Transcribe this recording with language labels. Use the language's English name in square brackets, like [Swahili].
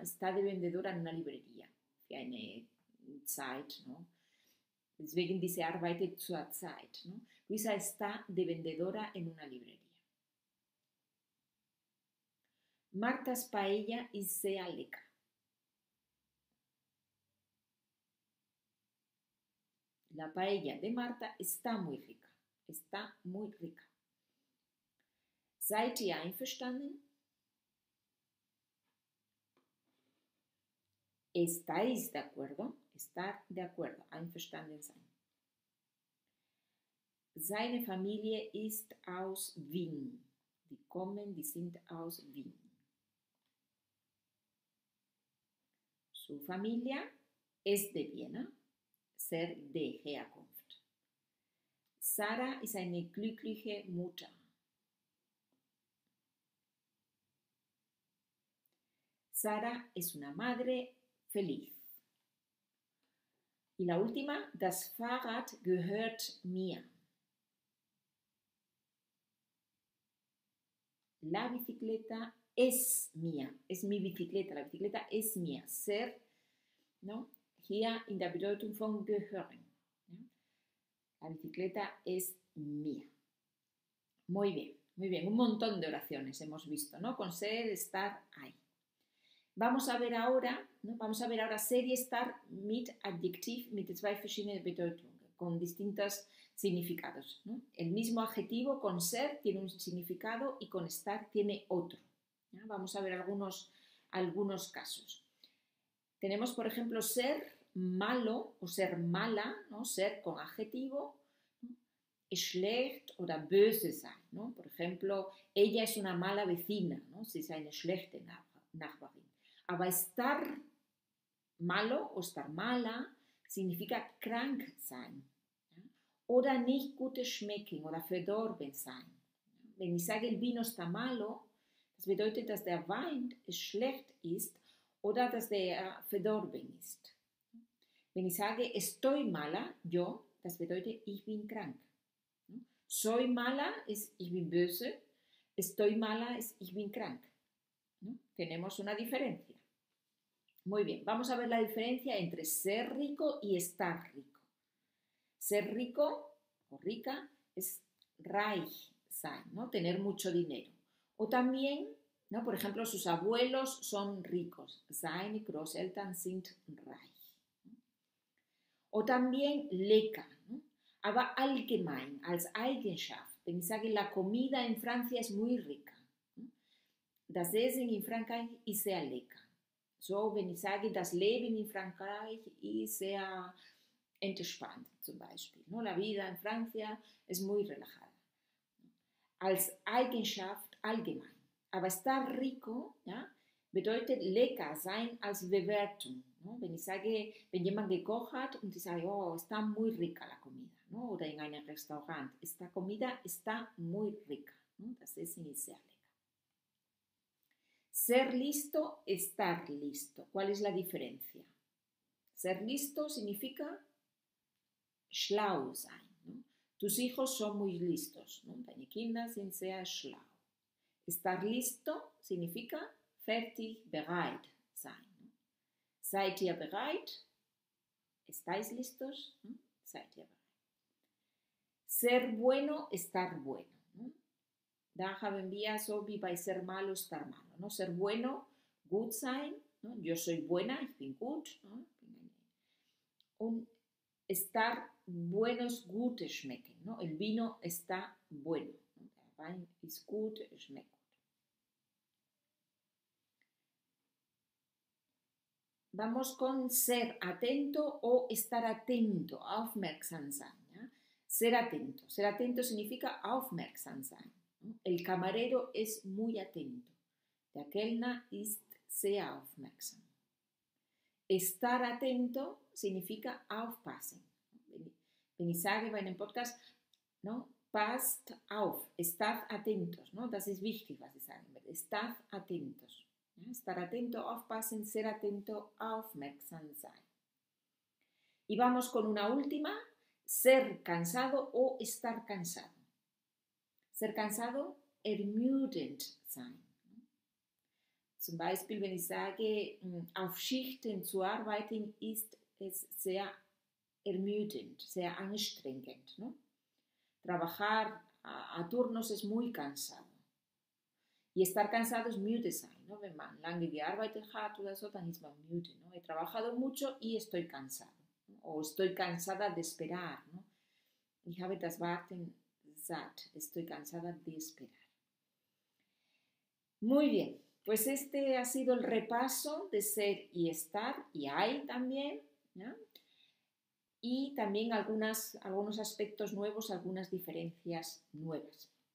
[Spanish] Está de vendedora in una librería, [German] für eine Zeit. [Spanish] No. [German] Deswegen diese Arbeit zur Zeit. [Spanish] No. Luisa está de vendedora in una librería. [German] Marta's paella ist sehr lecker. [Spanish] La paella de Marta está muy rica. Está muy rica. [German] Seid ihr einverstanden? [Spanish] Estáis de acuerdo? Estar de acuerdo. [German] Einverstanden sein. Seine Familie ist aus Wien. Die kommen, die sind aus Wien. [Spanish] Su familia es de Viena, ser de Herkunft. [German] Sara ist eine glückliche Mutter. [Spanish] Sara es una madre feliz. Y la última, [German] das Fahrrad gehört mir. [Spanish] La bicicleta es mía, es mi bicicleta, la bicicleta es mía, ser ¿no? [German] Hier in der Bedeutung von gehören. [Spanish] La bicicleta es mía. Muy bien, muy bien. Un montón de oraciones hemos visto, ¿no? Con ser, estar, ahí. Vamos a ver ahora, ¿no? Vamos a ver ahora ser y estar [German] mit Adjektiv, mit zwei verschiedenen Bedeutungen, [Spanish] con distintos significados, ¿no? El mismo adjetivo con ser tiene un significado y con estar tiene otro, ¿ya? Vamos a ver algunos casos. Tenemos, por ejemplo, ser malo o ser mala, ¿no? Ser con adjetivo, [German] schlecht oder böse sein, [Spanish] ¿no? Por ejemplo, ella es una mala vecina, ¿no? [German] Sie ist eine schlechte Nachbarin. Aber [Spanish] estar malo o estar mala significa [German] krank sein, [Spanish] ¿ya? [German] Oder nicht gut schmecken oder verdorben sein. Wenn ich sage, [Spanish] el vino está malo, [German] das bedeutet, dass der Wein schlecht ist oder dass der verdorben ist. Wenn ich sage, [Spanish] estoy mala, yo, [German] das bedeutet, ich bin krank. [Spanish] Soy mala es [German] ich bin böse, [Spanish] estoy mala es [German] ich bin krank. [Spanish] ¿No? Tenemos una diferencia. Muy bien, vamos a ver la diferencia entre ser rico y estar rico. Ser rico o rica es [German] reich sein, [Spanish] ¿no? Tener mucho dinero. O también, ¿no? Por ejemplo, sus abuelos son ricos. [German] Seine Großeltern sind reich. [Spanish] O también [German] lecker, [Spanish] ¿no? [German] Aber allgemein, als Eigenschaft. Wenn ich sage, [Spanish] la comida en Francia es muy rica. [German] Das Essen in Frankreich ist sehr lecker. So, wenn ich sage, das Leben in Frankreich ist sehr entspannt, zum Beispiel. [Spanish] ¿No? La vida en Francia es muy relajada. [German] Als Eigenschaft allgemein. Aber [Spanish] estar rico, ¿ya? [German] Bedeutet lecker sein als Bewertung. [Spanish] ¿No? [German] Wenn ich sage, wenn jemand gekocht hat und ich sage, oh, [Spanish] está muy rica la comida, ¿no? [German] Oder in einem Restaurant, [Spanish] esta comida está muy rica, ¿no? [German] Das Essen ist sehr lecker. [Spanish] Ser listo, estar listo. ¿Cuál es la diferencia? Ser listo significa [German] schlau sein, [Spanish] ¿no? Tus hijos son muy listos, ¿no? [German] Deine Kinder sind sehr schlau. [Spanish] Estar listo significa [German] fertig, bereit sein. ¿Seid ihr bereit? [Spanish] ¿Estáis listos? ¿No? [German] ¿Seid ihr bereit? [Spanish] Ser bueno, estar bueno. ¿No? [German] Da haben wir so wie bei [Spanish] ser malo, estar malo. ¿No? Ser bueno, [German] gut sein. [Spanish] ¿No? Yo soy buena, [German] ich bin gut. [Spanish] ¿No? Und estar bueno es [German] gut schmecken. [Spanish] ¿No? El vino está bueno. ¿No? [German] Der Wein ist gut schmecken. [Spanish] Vamos con ser atento o estar atento, [German] aufmerksam sein. [Spanish] ¿Ya? Ser atento. Ser atento significa [German] aufmerksam sein. [Spanish] ¿No? El camarero es muy atento. [German] Der Kellner ist sehr aufmerksam. [Spanish] Estar atento significa [German] aufpassen. Wenn ich sage bei einem Podcast, [Spanish] ¿no? [German] Passt auf, [Spanish] estad atentos. ¿No? [German] Das ist wichtig, was ich sage. [Spanish] Estad atentos. ¿Ya? Estar atento, [German] aufpassen, [Spanish] ser atento, [German] aufmerksam sein. [Spanish] Y vamos con una última, ser cansado o estar cansado. Ser cansado, [German] ermüdend sein. Zum Beispiel, wenn ich sage, auf Schichten zu arbeiten, ist es sehr ermüdend, sehr anstrengend. [Spanish] ¿No? Trabajar a turnos es muy cansado. Y estar cansado es [German] müde sein, [Spanish] ¿no? [German] Wenn man lange gearbeitet hat oder so, dann ist man müde, [Spanish] ¿no? He trabajado mucho y estoy cansado, ¿no? O estoy cansada de esperar, ¿no? [German] Ich habe das Warten satt. [Spanish] Estoy cansada de esperar. Muy bien, pues este ha sido el repaso de ser y estar, y hay también, ¿no? Y también algunos aspectos nuevos, algunas diferencias nuevas.